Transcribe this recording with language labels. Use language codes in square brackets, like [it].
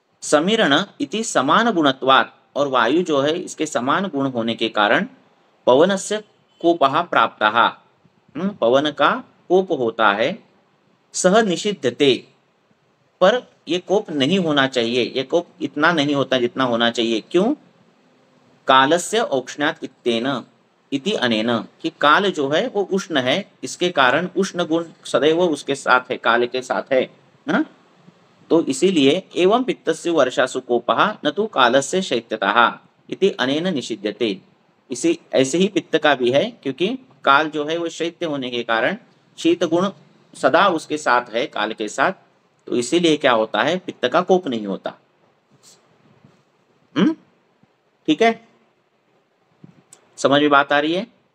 [sa] समीरण इति समान गुणत्वात् [hi] और वायु जो है इसके समान गुण होने के कारण पवन से [sa] कोपः प्राप्तः, [hi] पवन का कोप होता है [sa] सह निषिद्धते, [hi] पर ये कोप नहीं होना चाहिए, ये कोप इतना नहीं होता जितना होना चाहिए। क्यों? [sa] कालस्य औक्षण्यात् इत्तेन इति अनेन, [hi] कि काल जो है वो उष्ण है इसके कारण उष्ण गुण सदैव उसके साथ है, काल के साथ है ना? तो इसीलिए [sa] एवं पित्तस्य वर्षासु कोपः न तु कालस्य शैत्यतः इति अनेन निषिद्यते। [hi] इसी ऐसे ही पित्त का भी है क्योंकि काल जो है वो शैत्य होने के कारण शीत गुण सदा उसके साथ है, काल के साथ, तो इसीलिए क्या होता है पित्त का कोप नहीं होता। ठीक है, समझ में बात आ रही है?